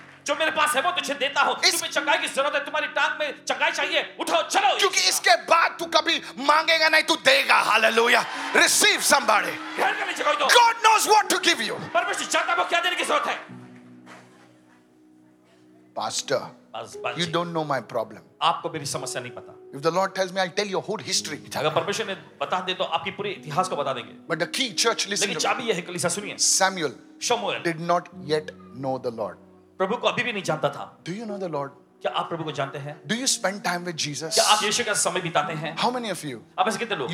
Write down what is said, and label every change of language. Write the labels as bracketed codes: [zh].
[hi] जो मेरे पास है वो तुझे देता हूँ इस... तुम्हें चंगाई की जरूरत है तुम्हारी टांग में चंगाई चाहिए उठो चलो क्योंकि इसके बाद तू कभी मांगेगा नहीं तू देगा hallelujah receive [en] somebody God knows what to give you [hi] परमेश्वर जानता है क्या देने की जरूरत है [en] Pastor You don't know my problem. [hi] आपको मेरी समस्या नहीं पता. [en] If the Lord tells me, I'll tell your whole history. [hi] अगर परमेश्वर ने बता दे तो आपकी पूरी इतिहास को बता देंगे. [en] But the key church listen. [hi] लेकिन चाबी यह है कलीसिया सुनिए. [en] Samuel. [hi] शमूएल. [en] Did not yet know the Lord. [hi] प्रभु को अभी भी नहीं जानता था. [en] Do you know the Lord? [hi] क्या आप प्रभु को जानते हैं? [en] Do you spend time with Jesus? [hi] क्या आप यीशु का समय बिताते हैं? [en] How many of you? [hi] आप ऐसे कितने लोग?